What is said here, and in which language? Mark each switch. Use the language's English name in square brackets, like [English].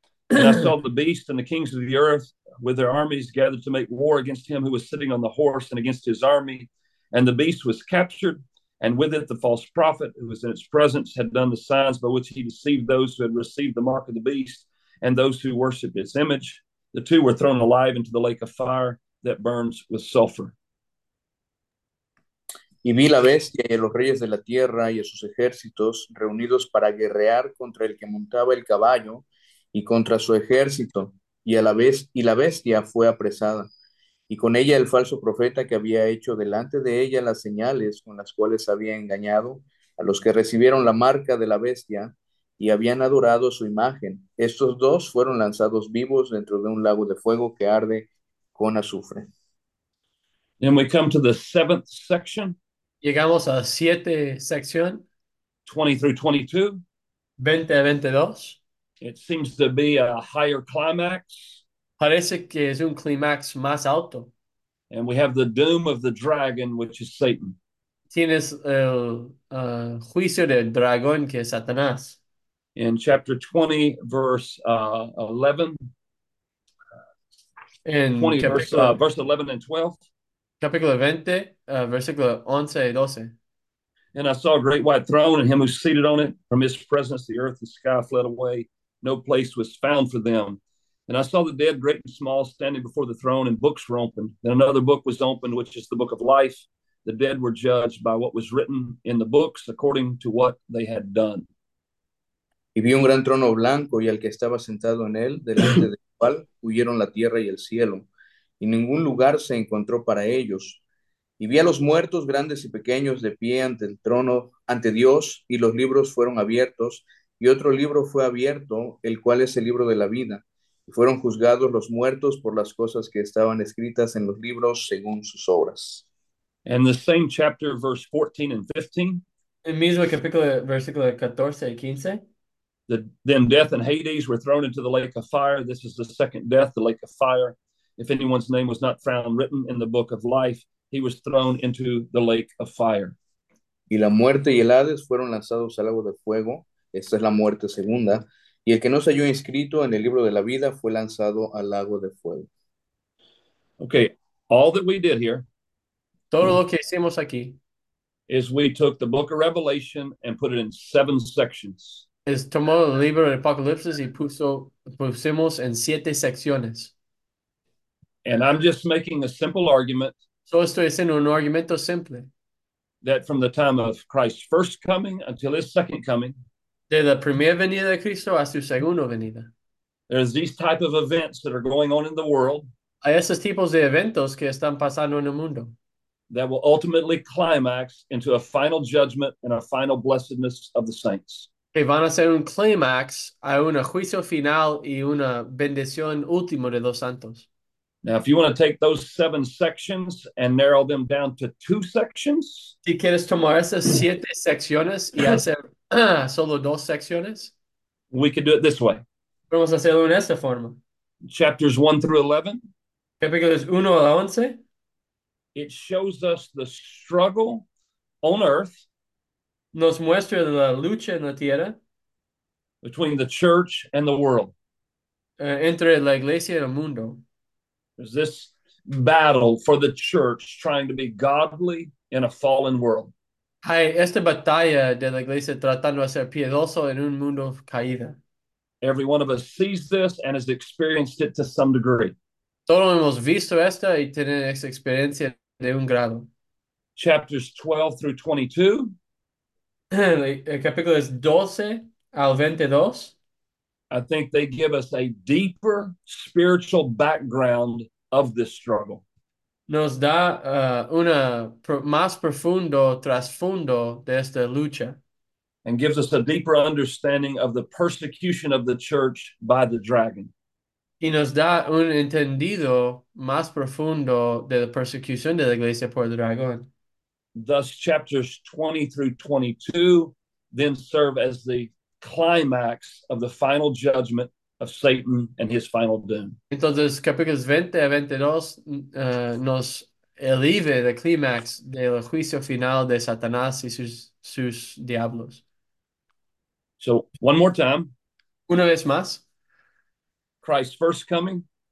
[English] And I saw the beast and the kings of the earth with their armies gathered to make war against him who was sitting on the horse and against his army. And the beast was captured, and with it the false prophet who was in its presence had done the signs by which he deceived those who had received the mark of the beast and those who worshipped its image. The two were thrown alive into the lake of fire that burns with sulfur. [Spanish] Y vi la bestia y a los reyes de la tierra y a sus ejércitos reunidos para guerrear contra el que montaba el caballo y contra su ejército, y la bestia fue apresada, y con ella el falso profeta que había hecho delante de ella las señales con las cuales había engañado a los que recibieron la marca de la bestia y habían adorado su imagen. Estos dos fueron lanzados vivos dentro de un lago de fuego que arde con azufre. [English] Then we come to the seventh section. [Spanish] Llegamos a siete sección. [English] 20 through 22. 2022. It seems to be a higher climax. [Spanish] Parece que es un clímax más alto. [English] And we have the doom of the dragon, which is Satan. [Spanish] Tienes el juicio del dragón que es Satanás. [English] In chapter 20, verse 11, [Spanish] En [English] 20, verse 11 and 12. [Spanish] capítulo 20, versículo 11 y 12. [English] And I saw a great white throne and him who's seated on it. From his presence, the earth and sky fled away. No place was found for them. And I saw the dead, great and small, standing before the throne, and books were opened. Then another book was opened, which is the book of life. The dead were judged by what was written in the books according to what they had done. [Spanish] Y vi un gran trono blanco y al que estaba sentado en él, delante del cual huyeron la tierra y el cielo, y ningún lugar se encontró para ellos. Y vi a los muertos, grandes y pequeños, de pie ante el trono, ante Dios, y los libros fueron abiertos, y otro libro fue abierto, el cual es el libro de la vida, y fueron juzgados los muertos por las cosas que estaban escritas en los libros según sus obras. [English] And the same chapter, verse 14 and 15. [Spanish] El mismo capítulo, versículo 14 y 15. [English] Then death and Hades were thrown into the lake of fire. This is the second death, the lake of fire. If anyone's name was not found written in the book of life, he was thrown into the lake of fire. [Spanish] Y la muerte y el Hades fueron lanzados al lago de fuego. Esta es la muerte segunda. Y el que no se halló inscrito en el libro de la vida fue lanzado al lago de fuego. [English] Okay, all that we did here. [Spanish] Todo lo que hicimos aquí [English] Is we took the book of Revelation and put it in seven sections. [Spanish] es tomó el libro de Apocalipsis y pusimos en siete secciones. [English] And I'm just making a simple argument [Spanish] Solo estoy haciendo un argumento simple. [English] that from the time of Christ's first coming until his second coming, [Spanish] De la primera venida de Cristo a su segunda venida. [English] there's these type of events that are going on in the world. [Spanish] Hay esos tipos de eventos que están pasando en el mundo. [English] That will ultimately climax into a final judgment and a final blessedness of the saints. [Spanish] Que van a ser un clímax a un juicio final y una bendición última de los santos. [English] Now, if you want to take those seven sections and narrow them down to two sections, [Spanish] Si quieres tomar esas siete secciones y hacer solo dos secciones. [English] we could do it this way. [Spanish] Vamos a hacerlo en esta forma. [English] Chapters 1 through 11. [Spanish] Capítulos 1 a 11. [English] It shows us the struggle on earth [Spanish] Nos muestra la lucha en la tierra [English] between the church and the world. [Spanish] entre la iglesia y el mundo. [English] There's this battle for the church trying to be godly in a fallen world. [Spanish] Hay esta batalla de la iglesia tratando de ser piadoso en un mundo caída. [English] Every one of us sees this and has experienced it to some degree. [Spanish] Todos hemos visto esta y tienen esa experiencia de un grado. [English] Chapters 12 through 22. [Spanish] El capítulo es 12 al 22. [English] I think they give us a deeper spiritual background of this struggle. [Spanish] Nos da una pro más profundo trasfondo de esta lucha. [English] And gives us a deeper understanding of the persecution of the church by the dragon. [Spanish] Y nos da un entendido más profundo de la persecución de la iglesia por el dragón. [English] Thus, chapters 20 through 22 then serve as the climax of the final judgment of Satan and his final doom. [Spanish] Entonces, capítulos 20 a 22 nos elevan el clímax del juicio final de Satanás y sus diablos. [English] So, one more time. [Spanish] Una vez más, [English] Christ's first coming,